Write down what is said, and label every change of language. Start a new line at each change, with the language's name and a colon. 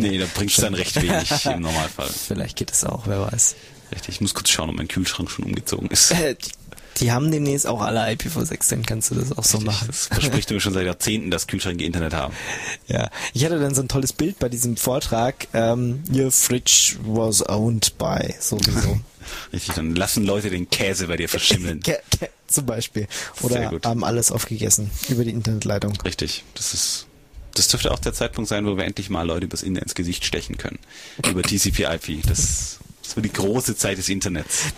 German: Nee, da bringst du dann recht wenig im Normalfall. Vielleicht geht es auch, wer weiß. Richtig, ich muss kurz schauen, ob mein Kühlschrank schon umgezogen ist. Die haben demnächst auch alle IPv6, dann kannst du das auch so machen. Das versprichst du mir schon seit Jahrzehnten, dass Kühlschränke Internet haben. Ja, ich hatte dann so ein tolles Bild bei diesem Vortrag.
English: Your fridge was owned by
German: sowieso. Richtig, dann lassen Leute den Käse bei dir verschimmeln. zum Beispiel. Oder haben alles aufgegessen über die Internetleitung. Richtig, das dürfte auch der Zeitpunkt sein, wo wir endlich mal Leute übers Internet ins Gesicht stechen können. Über TCP/IP. Das wird die große Zeit des Internets.